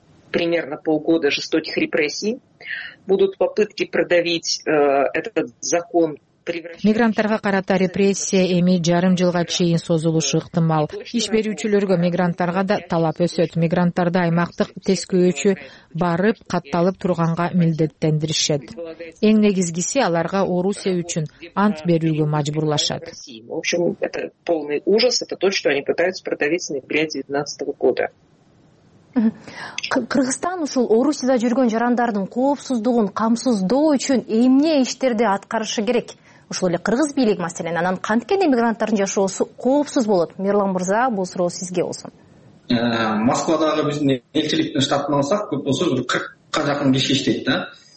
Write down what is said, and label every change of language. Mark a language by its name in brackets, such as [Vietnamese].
[Russian] Примерно полгода жестоких репрессий будут попытки продавить этот закон. [Kyrgyz] Мигранттарга карата репрессия эми жарым жылга чейин созулушу ыктымал. Иш берүүчүлөргө мигранттарга да талап өсөт. Мигранттарды аймактык тескөөчү барып катталып турганга милдеттендиришет. Эң негизгиси аларга Орусия үчүн ант берүүгө мажбурлашат. [Russian] В общем, это полный ужас, это то, что они пытаются продавить с ноября 2019 года. [Kyrgyz] Кыргызстан ушул Орусияда жүргөн жарандардын коопсуздугун камсыздоо үчүн эмне иштерди аткарышы керек? Ушул эле кыргыз бийлиги маселен, анан канткен мигранттардын жашоосу коопсуз болот? Мирлан Мырза, бул суроо сизге болсун. Москвадагы биздин элчиликтин штатын алсак, көп болсо бир 40 жакын киши иштейт да.